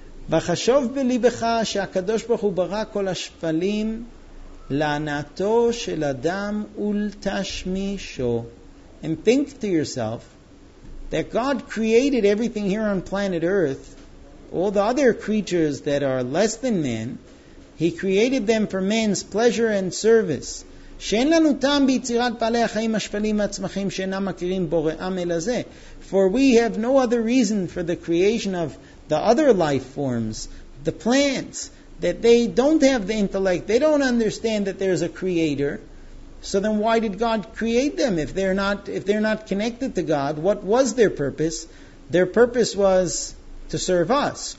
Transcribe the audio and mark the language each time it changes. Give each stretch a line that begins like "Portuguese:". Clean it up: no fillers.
Hebrew: וחשוב בליבך שהקדוש ברוך הוא ברא כל השפלים להנאתו של אדם ולתשמישו.
English: And think to yourself that God created everything here on planet Earth, all the other creatures that are less than man, He created them for man's pleasure and service.
Hebrew: שאין לנו טעם ביצירת פעלי החיים השפלים והצמחים שאינם מכירים בוראם אלא זה.
English: For we have no other reason for the creation of the other life forms, the plants, that they don't have the intellect, they don't understand that there's a creator. So then why did God create them if they're not connected to God? What was their purpose? Their purpose was to serve us.